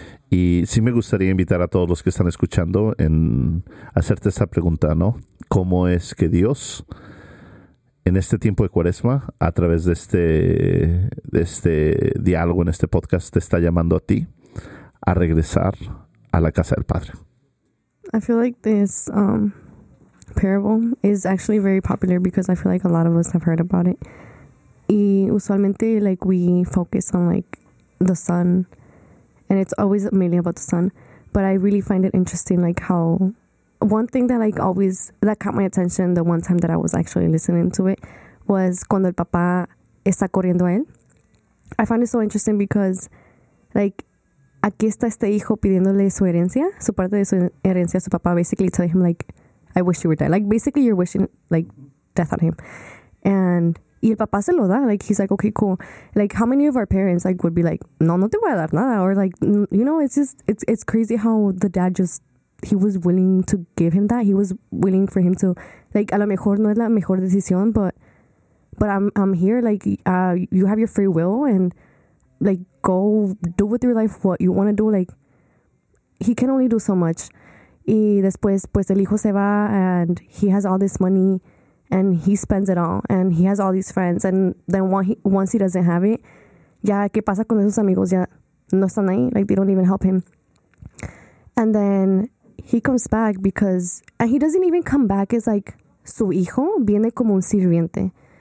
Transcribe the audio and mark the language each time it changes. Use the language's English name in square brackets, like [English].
[Spanish] Y sí me gustaría invitar a todos los que están escuchando en hacerte esa pregunta, ¿no? ¿Cómo es que Dios, en este tiempo de Cuaresma, a través de este diálogo, en este podcast, te está llamando a ti a regresar a la casa del Padre? [English] I feel like this parable is actually very popular because I feel like a lot of us have heard about it. [Spanish] Y usualmente, [English] like, we focus on, like, the son, and it's always mainly about the son. But I really find it interesting, like, how one thing that, like, always that caught my attention the one time that I was actually listening to it was [Spanish] cuando el papá está corriendo a él. [English] I find it so interesting because, like, [Spanish] aquí está este hijo pidiéndole su herencia, su parte de su herencia, su papá [English] basically telling him, like, I wish you were dead. Like, basically, you're wishing, like, death on him. And [Spanish] Y el papá se lo da. [English] Like, he's like, okay, cool. Like, how many of our parents, like, would be like, [Spanish] no, no te voy a dar nada. [English] Or, like, you know, it's just, it's crazy how the dad just, he was willing to give him that. He was willing for him to, like, [Spanish] a lo mejor no es la mejor decisión, [English] but I'm here. Like, you have your free will and, like, go do with your life what you want to do. Like, he can only do so much. [Spanish] Y después, pues, el hijo se va [English] and he has all this money. And he spends it all. And he has all these friends. And then once he doesn't have it, [Spanish] ya, ¿qué pasa con esos amigos? Ya no están ahí. [English] Like, they don't even help him. And then he comes back because... And he doesn't even come back as, like, [Spanish] su hijo viene como un sirviente.